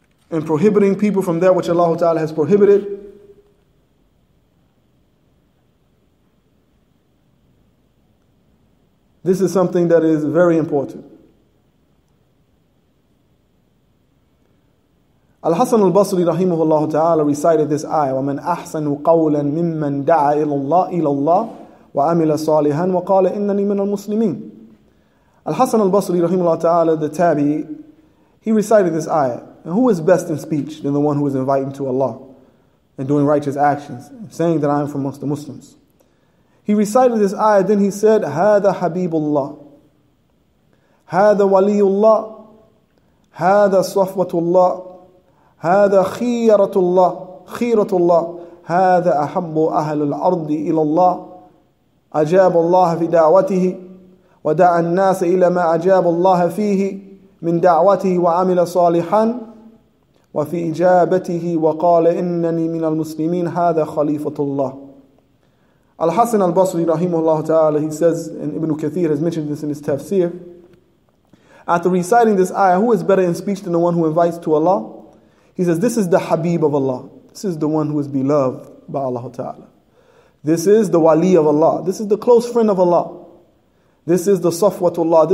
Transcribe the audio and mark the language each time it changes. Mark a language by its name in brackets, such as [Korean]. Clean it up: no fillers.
[English] And prohibiting people from that which Allah Ta'ala has prohibited. This is something that is very important. Al-Hasan al-Basri rahimahullah ta'ala recited this ayah, [Arabic] وَمَنْ أَحْسَنُ قَوْلًا مِمَّنْ دَعَى إِلَى اللَّهِ إِلَى اللَّهِ وَعَمِلَ صَالِحًا وَقَالَ إِنَّنِي مِنَ الْمُسْلِمِينَ. [English] Al-Hasan al-Basri rahimahullah ta'ala, the tabi, he recited this ayah. And who is best in speech than the one who is inviting to Allah and doing righteous actions, saying that I am from amongst the Muslims? He recited this ayah, then he said, [Arabic] هَذَا حَبِيبُ اللَّهِ هَذَا وَلِيُّ اللَّهِ هَذَا صَفْوَةُ اللَّهِ هَذَا خِيَّرَةُ اللَّهِ خِيرَةُ اللَّهِ هَذَا أَحَبُّ أَهْلُ الْأَرْضِ إِلَى اللَّهِ أَجَابُ اللَّهَ فِي دَعْوَتِهِ ودع الناس إلى ما أجاب الله فيه من دعوته وعمل صالحا وفي إجابته وقال إنني من المسلمين هذا خليفة الله. [English] Al-Hasan al-Basri rahimahullah ta'ala, he says, and Ibn Kathir has mentioned this in his tafsir, after reciting this ayah, who is better in speech than the one who invites to Allah? He says, this is the Habib of Allah. This is the one who is beloved by Allah ta'ala. This is the Wali of Allah. This is the close friend of Allah. This is the Safwatullah.